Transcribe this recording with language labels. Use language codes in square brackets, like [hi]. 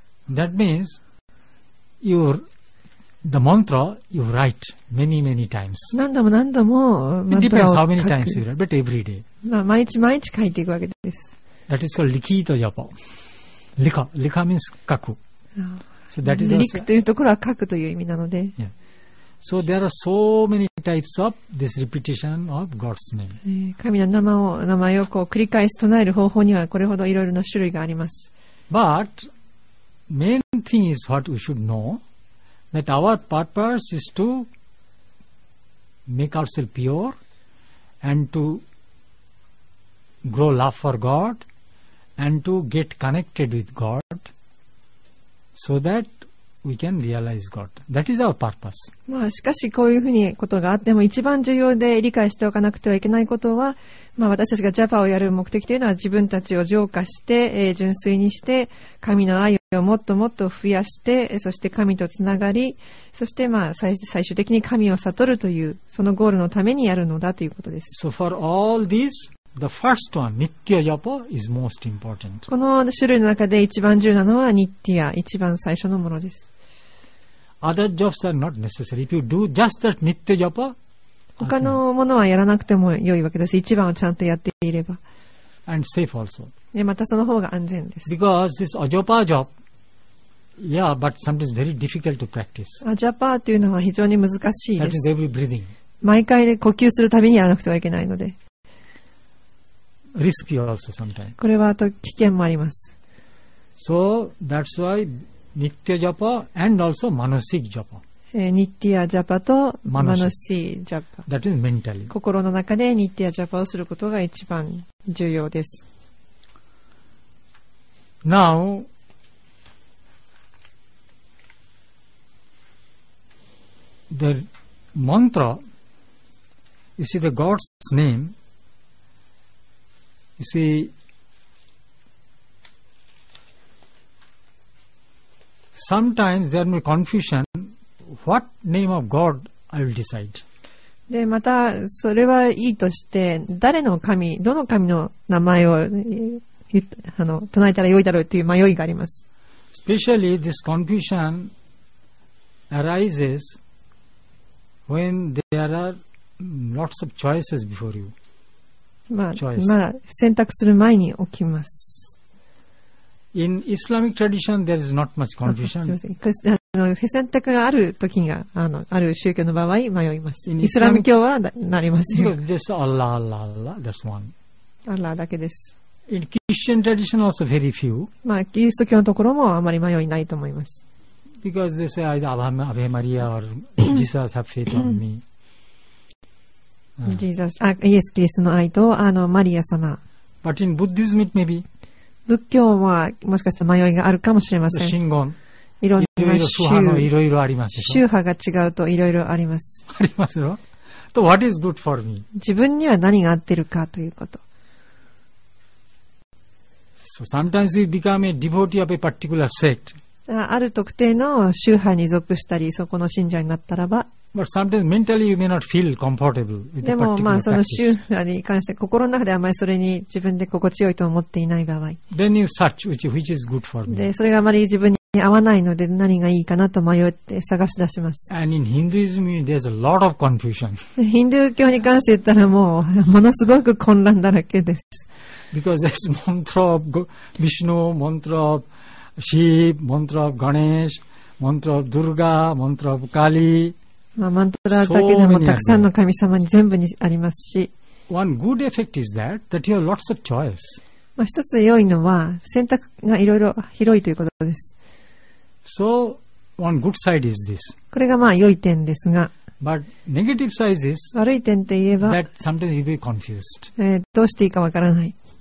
[en] That means the mantra you write many many times. [ja] 何度も何度もマントラを書く。 [en] It depends how many times you write, but every day. [ja] まあ毎日毎日書いていくわけです。 [en] That is called リキートジャポ。リカ、リカ means 書く。 So that is [ja] リクというところは書くという意味なので。 [en] Yeah. So there are so many types of this repetition of God's name. [ja] 神の名前をこう繰り返し唱える方法にはこれほどいろいろな種類があります。 [en] But main thing is what we should know that our purpose is to make ourselves pure and to grow love for God and to get connected with God so thatWe can realize God. That is our purpose. [ja] まあ、しかしこういうふうにことがあっても一番重要で理解しておかなくてはいけないことは、まあ、私たちがジャパをやる目的というのは自分たちを浄化して、純粋にして神の愛をもっともっと増やして、そして神とつながり、そして、まあ、最終的に神を悟るというそのゴールのためにやるのだということです。 [en] So for all these, the first one, Nitya Japa is most important. [ja] この種類の中で一番重要なのはニッティア、一番最初のものです。 [en] Other jobs are not necessary. If you do just that nitya japa, [ja] 他のものはやらなくても良いわけです。一番をちゃんとやっていれば。 [en] And safe also. [ja] で、またその方が安全です。 [en] Because this ajapa job, yeah, but sometimes very difficult to practice. [ja] Ajapa というのは非常に難しいです。 [en] That is every breathing. [ja] 毎回で呼吸するたびにやらなくてはいけないので。 [en] Risky also sometimes. [ja] これはと危険もあります。 [en] So that's why. ニッティアジャパ and also マノシージャパ。 [ja] ニッティアジャパとマノシージャパ。 [en] That is mentally. [ja] 心の中でニッティアジャパをすることが一番重要です。 [en] Now, the mantra, you see the God's name, you see,Sometimes there may be confusion. What name of God I will decide? [ja] で、またそれはいいとして、誰の神、どの神の名前を唱えたらよいだろうという迷いがあります。 [en] Especially this confusion arises when there are lots of choices before you. [ja] まあ、Choice. まあ、選択する前に起きます。 [en] In Islamic tradition, there is not much confusion. [ja] すいません。選択があるときがある宗教の場合迷います。イスラム教はなりません。 [en] Because just Allah, Allah, Allah, that's one. [ja] Allah だけです。 [en] In Christian tradition, also very few. [ja] まあ、キリスト教のところもあまり迷いないと思います。 [en] Because they say either Ave Maria or Jesus have faith on me. [ja] Jesus, イエス・キリストの愛とマリア様。 [en] But in Buddhism, it may be. [ja] 仏教はもしかしたら迷いがあるかもしれません。神言、いろんな宗派が違うといろいろあります。ありますよ。と、 [en] what is good for me? [ja] 自分には何が合ってるかということ。 [en] So sometimes you become a devotee of a particular sect. [ja] ある特定の宗派に属したり、そこの信者になったらば。 [en] But sometimes mentally you may not feel comfortable with the particular practice. [ja] でもまあその宗派に関して心の中であまりそれに自分で心地よいと思っていない場合。 [en] Then you search which is good for me. [ja] でそれがあまり自分に合わないので何がいいかなと迷って探し出します。 [en] And in Hinduism there's a lot of confusion. [ja] ヒンドゥー教に関して言ったらもうものすごく混乱だらけです。 [en] Because there's mantra of Vishnu, mantra of Shiv, mantra of Ganesh, mantra of Durga, mantra of Kali. [ja] Mantra だけでもたくさんの神様に全部にありますし。 [en] One good effect is that, that you have lots of choice. [ja] まあ、一つ良いのは選択がいろいろ広いということです。 [en] So, one good side is this. [ja] これがまあ良い点ですが。 [en] But negative side is [ja] 悪い点といえば、 [en] that sometimes you'll be confused. [ja] どうしていいかわからない。